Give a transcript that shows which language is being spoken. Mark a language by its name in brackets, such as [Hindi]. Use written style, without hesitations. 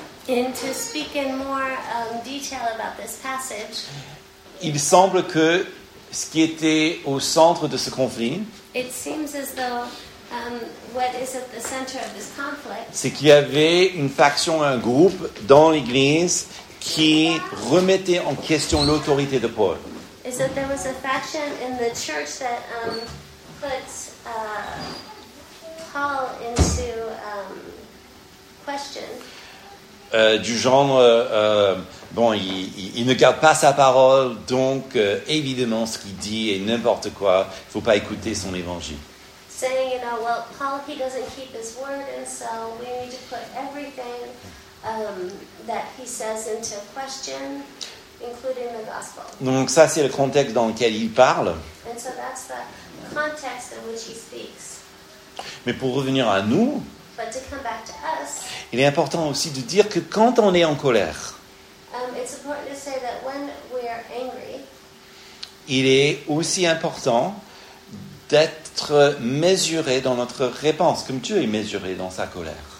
[English] and to speak in more detail about this passage, [French] il semble que ce qui était au centre de ce conflit, [English] it seems as though what is at the center of this conflict, [French] c'est qu'il y avait une faction, un groupe dans l'église qui remettait en question l'autorité de Paul. [English] Is that there was a faction in the church that puts Paul into question. [French] Du genre, bon, il ne garde pas sa parole, donc évidemment ce qu'il dit est n'importe quoi, il ne faut pas écouter son évangile. [English] Saying, you know, well, Paul, he doesn't keep his word, and so we need to put everything that he says into question, including the gospel. [French] Donc ça, c'est le contexte dans lequel il parle. [English] And so that's the context in which he speaks. [French] Mais pour revenir à nous, [English] but to come back to us, [French] il est important aussi de dire que quand on est en colère, [English] it's important to say that when we are angry, [French] il est aussi important d'être mesuré dans notre réponse, comme Dieu est mesuré dans sa colère.